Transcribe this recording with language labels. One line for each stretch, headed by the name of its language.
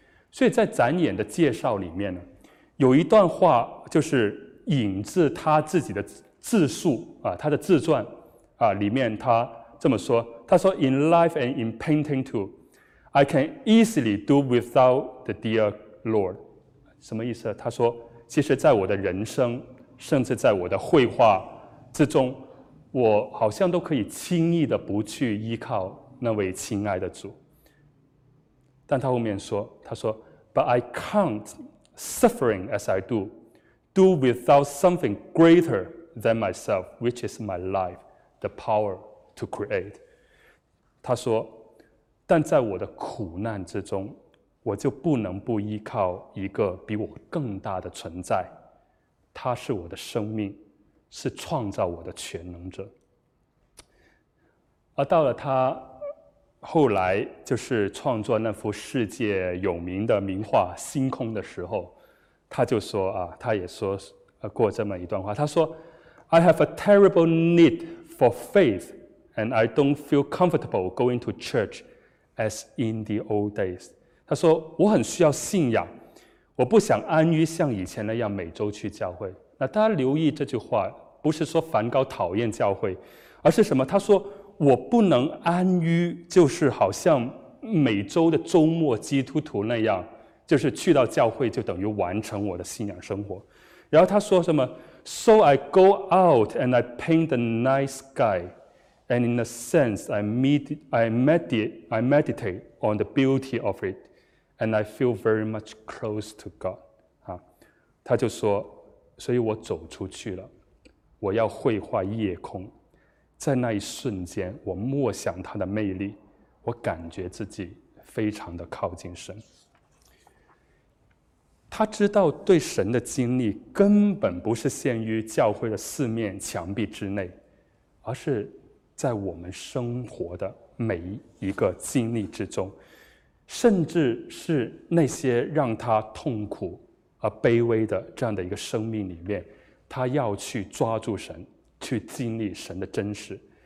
Chinese: 所以在展演的介绍里面呢，有一段话就是引自他自己的自述他的自传里面他这么说，他说
English: In life and in painting too, I can easily do without the dear Lord。
Chinese: 什么意思？他说其实在我的人生甚至在我的绘画之中，我好像都可以轻易的不去依靠那位亲爱的主。但他后面说，他说
English: But I count suffering as I do without something greater than myself, which is my life, the power to create。
Chinese: 他说但在我的苦难之中，我就不能不依靠一个比我更大的存在，他是我的生命，是创造我的全能者。而到了他后来就是创作那幅世界有名的名画《星空》的时候，他就说他也说过这么一段话，他说
English: I have a terrible need for faith and I don't feel comfortable going to church as in the old days。
Chinese: 他说我很需要信仰，我不想安于像以前那样每周去教会。那大家留意这句话，不是说梵高讨厌教会，而是什么？他说我不能安于就是好像每周的周末基督徒那样，就是去到教会就等于完成我的信仰生活。然后他说什么
English: So I go out and I paint the night sky and in a sense I meditate on the beauty of it and I feel very much close to God。
Chinese: 他就说所以我走出去了，我要绘画夜空，在那一瞬间我默想它的魅力，我感觉自己非常的靠近神。他知道对神的经历根本不是限于教会的四面墙壁之内，而是在我们生活的每一个经历之中，甚至是那些让他痛苦而卑微的这样的一个生命里面，他要去抓住神，去经历神的真实。